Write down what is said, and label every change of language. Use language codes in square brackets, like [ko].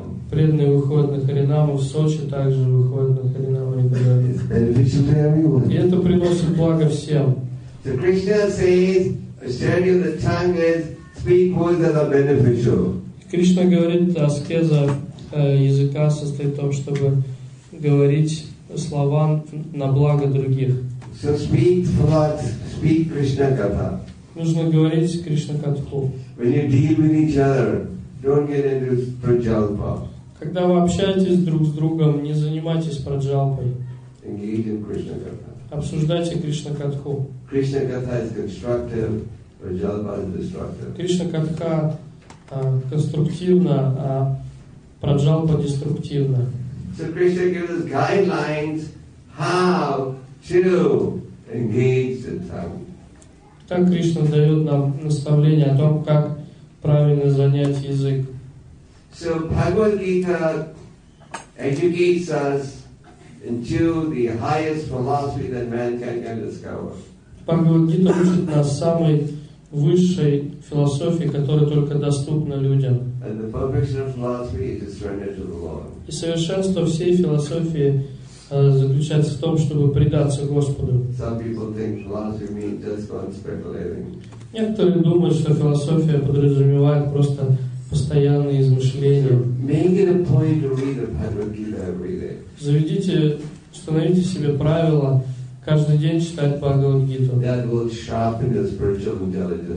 [ru] Преданные выходят на Харинаму, в Сочи также выходят на Харинаму. И это приносит благо всем. [en] So Krishna says, "Study the tongue is speak words that are beneficial." [ru] Кришна говорит, аскеза языка состоит в том, чтобы говорить слова на благо других. [en] So speak Prabhupada, speak Krishna Katha. [ru] Нужно говорить Кришна Катху. [en] When you deal with each other, don't get into праджалпа. [ru] Когда вы общаетесь друг с другом, не занимайтесь праджалпой. [en] Engage in Krishna Katha. [ru] Обсуждайте Кришна Катху. [en] Krishna Katha is constructive, праджалпа is destructive. [ru] Кришна Катха конструктивна, а праджалпа деструктивна. [en] So Krishna gives us guidelines how to engage the tongue. [ru] Так Кришна дает нам наставление о том, как правильно занять язык. [en] So Bhagavad Gita educates us into the highest philosophy that man can discover. [ru] Bhagavad Gita учит нас самой высшей философии, которая только доступна людям. [en] And the perfection of philosophy is to surrender to the Lord. [ru] И совершенство всей философии заключается в том, чтобы предаться Господу. [en] Some people think philosophy means just on speculating. [ru] Некоторые думают, что философия подразумевает просто постоянные измышления. [en] Make it a point to read the Bhagavad Gita every day. [ru] Заведите, установите себе правило каждый день читать Бхагавад Гиту. [en] That will sharpen your spiritual intelligence.